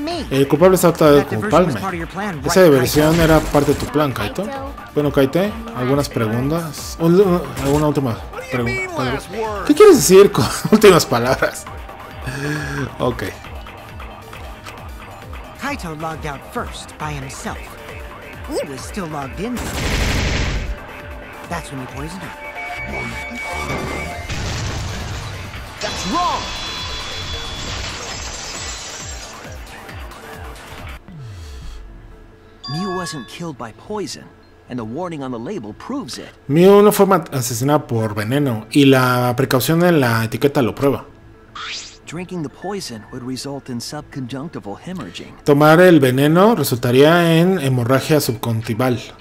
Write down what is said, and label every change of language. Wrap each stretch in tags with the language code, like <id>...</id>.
<es>El culpable está tratando de culparme. Esa diversión era parte de tu plan, Kaito. Bueno, Kaito, ¿algunas preguntas? ¿Alguna última pregunta? ¿Qué quieres decir con últimas palabras? Ok.</es> <en>Kaito logged out first by himself. He was still logged in. That's when he poisoned him. That's wrong. Mew wasn't killed by poison, and the warning on the label proves it.</en> <es>Mew no fue asesinada por veneno, y la precaución en la etiqueta lo prueba.</es> <en>Drinking the poison would result in subconjunctival hemorrhaging.</en> <es>Tomar el veneno resultaría en hemorragia subconjuntival.</es>